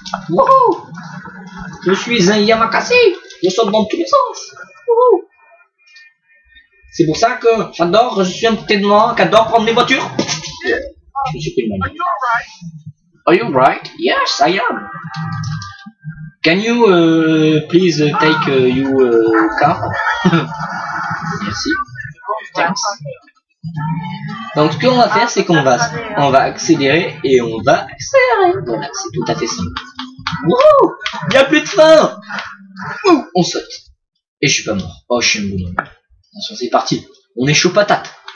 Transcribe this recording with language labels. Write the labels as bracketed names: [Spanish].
[French] Wouhou. Je suis un Yamakasi. Je saute dans tous les sens. Wouhou. C'est pour ça que j'adore, je suis un petit noir qui adore prendre mes voitures. Je me suis pris le manuel. [English] Are you right? Yes, I am. Can you please take your car? [French] Merci. [English] Thanks. [French] Donc ce qu'on va faire, c'est qu'on va, accélérer et on va accélérer. Voilà, c'est tout à fait simple. Wouhou! Il n'y a plus de fin! Ouh, on saute. Et je suis pas mort. Oh, je suis un bon homme. Attention, c'est parti. On est chaud patate.